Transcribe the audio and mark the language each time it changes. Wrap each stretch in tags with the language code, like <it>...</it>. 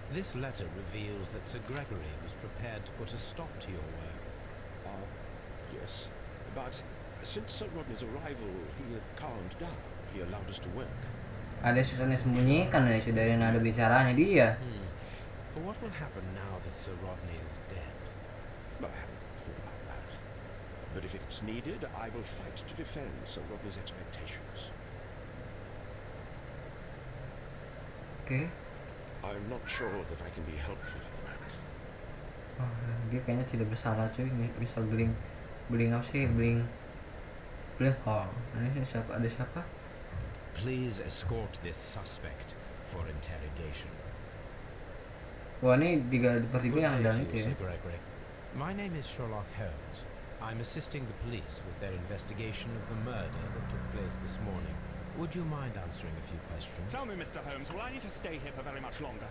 <en>This letter reveals that Sir Gregory was prepared to put a stop to your work. Yes. But since Sir Rodney's arrival, he had calmed down. He allowed us to work.</en> <id>Ada sesuatu yang sembunyikan ya, sudah ada nada bicaranya dia.</id> <en>But what will happen now that Sir Rodney is dead? Well, I haven't thought about that. But if it's needed, I will fight to defend Sir Rodney's expectations. Okay. I'm not sure that I can be helpful at the moment.</en> <id>Dia kayaknya tidak bersalah cuy, Mr. Bling. Bling apa sih? Bling. Bling Hall. Ini siapa? Ada siapa?</id> <en>Please escort this suspect for interrogation.</en> <id>Wah, ini tiga pertiga yang dalam itu ya.</id> <en>Gregory. My name is Sherlock Holmes. I'm assisting the police with their investigation of the murder that took place this morning. Would you mind answering a few questions? Tell me, Mr. Holmes, will I need to stay here for very much longer?</en>